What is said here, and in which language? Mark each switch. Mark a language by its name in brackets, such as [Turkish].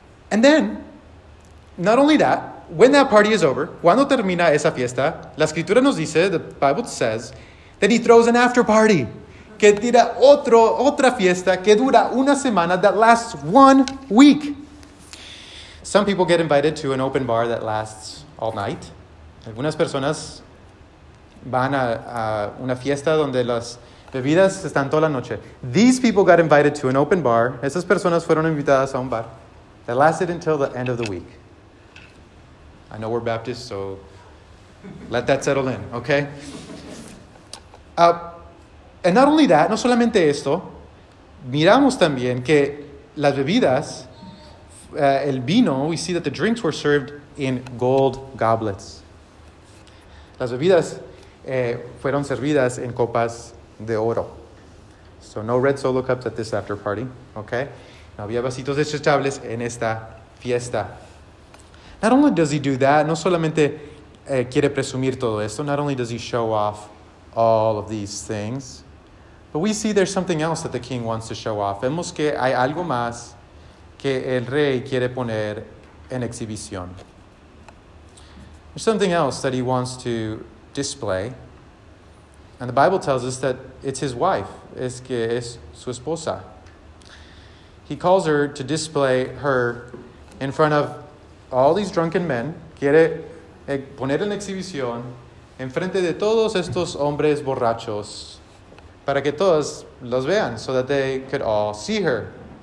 [English] And then, not only that, when that party is over, [Spanish] cuando termina esa fiesta, la escritura nos dice, [English] the Bible says, that he throws an after party, [Spanish] que tira otra fiesta que dura una semana, [English] that lasts 1 week. Some people get invited to an open bar that lasts all night. [Spanish] Algunas personas van a una fiesta donde las bebidas están toda la noche. [English] These people got invited to an open bar. [Spanish] Esas personas fueron invitadas a un bar [English] that lasted until the end of the week. I know we're Baptist, so let that settle in, okay? And not only that, [Spanish] no solamente esto, miramos también que las bebidas, el vino, [English] we see that the drinks were served in gold goblets. [Spanish] Las bebidas fueron servidas en copas de oro. [English] So no red solo cups at this after party, okay? [Spanish] No había vasitos desechables en esta fiesta. [English] Not only does he do that, [Spanish] no solamente quiere presumir todo esto, [English] not only does he show off all of these things. But we see there's something else that the king wants to show off. [Spanish] Vemos que hay algo más que el rey quiere poner en exhibición. [English] There's something else that he wants to display. And the Bible tells us that it's his wife. [Spanish] Es que es su esposa. [English] He calls her to display her in front of all these drunken men. [Spanish] Quiere poner en exhibición en frente de todos estos hombres borrachos. Para que todos los vean, [English] so that they could all see her.